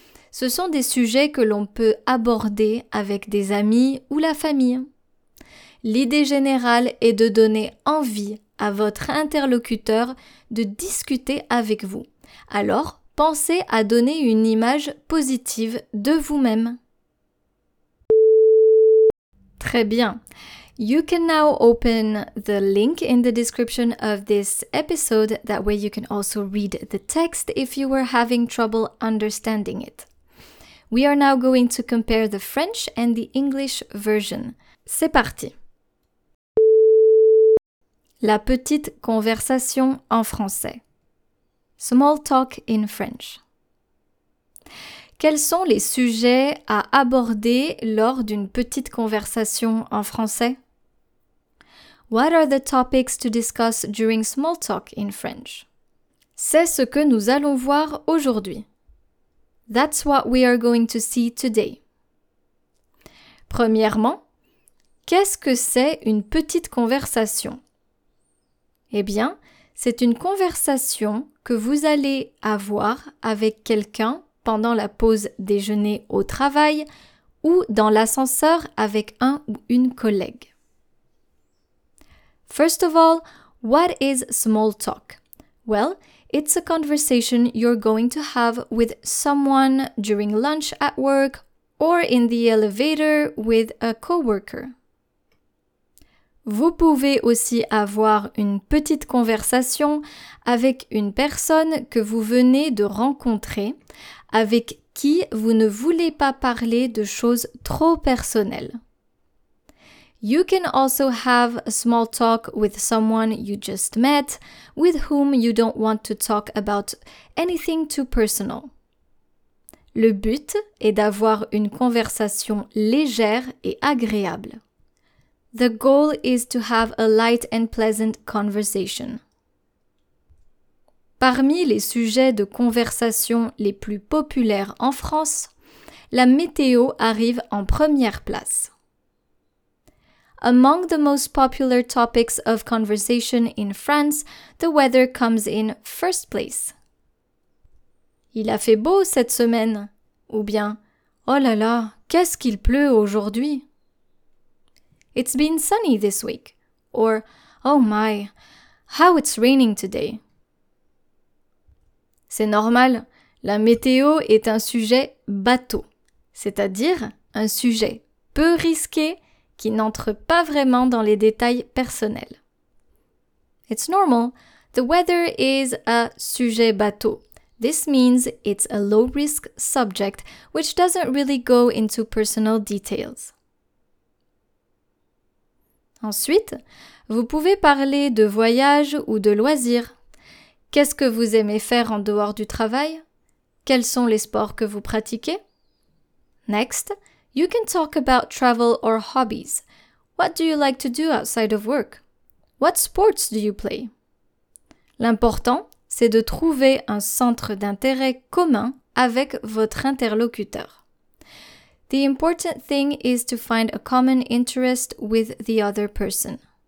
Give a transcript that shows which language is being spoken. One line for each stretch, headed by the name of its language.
French: Ce sont des sujets que l'on peut aborder avec des amis ou la famille. L'idée générale est de donner envie à votre interlocuteur de discuter avec vous. Alors, pensez à donner une image positive de vous-même. Très bien.
English: You can now open the link in the description of this episode. That way you can also read the text if you were having trouble understanding it. We are now going to compare the French and the English version.
French: C'est parti. La petite conversation en français.
English: Small talk in French.
French: Quels sont les sujets à aborder lors d'une petite conversation en français?
English: What are the topics to discuss during small talk in French?
French: C'est ce que nous allons voir aujourd'hui.
English: That's what we are going to see today.
French: Premièrement, qu'est-ce que c'est une petite conversation? Eh bien, c'est une conversation que vous allez avoir avec quelqu'un pendant la pause déjeuner au travail ou dans l'ascenseur avec un ou une collègue.
English: First of all, what is small talk? Well, it's a conversation you're going to have with someone during lunch at work or in the elevator with a coworker.
French: Vous pouvez aussi avoir une petite conversation avec une personne que vous venez de rencontrer, avec qui vous ne voulez pas parler de choses trop personnelles.
English: You can also have a small talk with someone you just met, with whom you don't want to talk about anything too personal.
French: Le but est d'avoir une conversation légère et agréable.
English: The goal is to have a light and pleasant conversation.
French: Parmi les sujets de conversation les plus populaires en France, la météo arrive en première place.
English: Among the most popular topics of conversation in France, the weather comes in first place.
French: Il a fait beau cette semaine. Ou bien, oh là là, qu'est-ce qu'il pleut aujourd'hui?
English: It's been sunny this week. Or, oh my, how it's raining today.
French: C'est normal, la météo est un sujet bateau, c'est-à-dire un sujet peu risqué qui n'entre pas vraiment dans les détails personnels.
English: It's normal, the weather is a sujet bateau. This means it's a low-risk subject which doesn't really go into personal details.
French: Ensuite, vous pouvez parler de voyage ou de loisirs. Qu'est-ce que vous aimez faire en dehors du travail? Quels sont les sports que vous pratiquez?
English: Next, you can talk about travel or hobbies. What do you like to do outside of work? What sports do you play?
French: L'important, c'est de trouver un centre d'intérêt commun avec votre interlocuteur.
English: The important thing is to find a common interest with the other person.